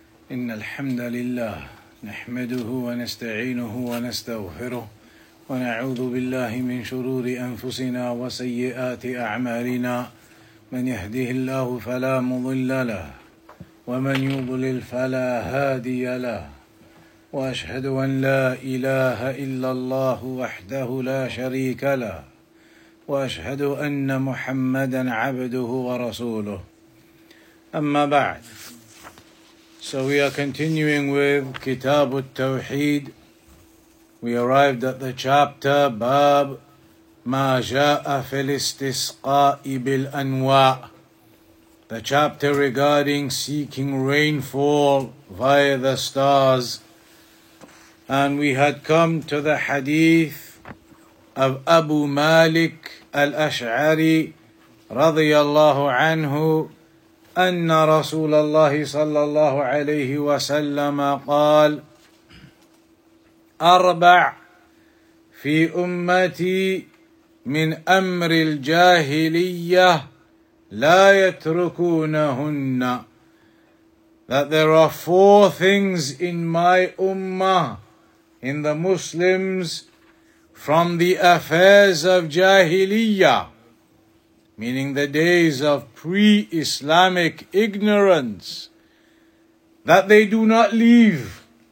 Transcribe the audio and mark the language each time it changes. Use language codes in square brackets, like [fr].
[ar] إن الحمد لله نحمده ونستعينه ونستغفره ونعوذ بالله من شرور أنفسنا وسيئات أعمالنا من يهده الله فلا مضل له ومن يضلل فلا هادي له وأشهد أن لا إله إلا الله وحده لا شريك له وأشهد أن محمدا عبده ورسوله أما بعد. [en] So we are continuing with Kitaab-at Tawheed. We arrived at the chapter Bab Ma Ja'a fil Istisqa'i bil Anwa', the chapter regarding seeking rainfall via the stars. And we had come to the hadith of Abu Malik al-Ash'ari radiyallahu anhu, [ar] أن رسول الله صلى الله عليه وسلم قال أربع في أمتي من أمر الجاهلية لا يتركونهن. [en] That there are four things in my ummah, in the Muslims, from the affairs of jahiliyyah, meaning the days of pre-Islamic ignorance, that they do not leave.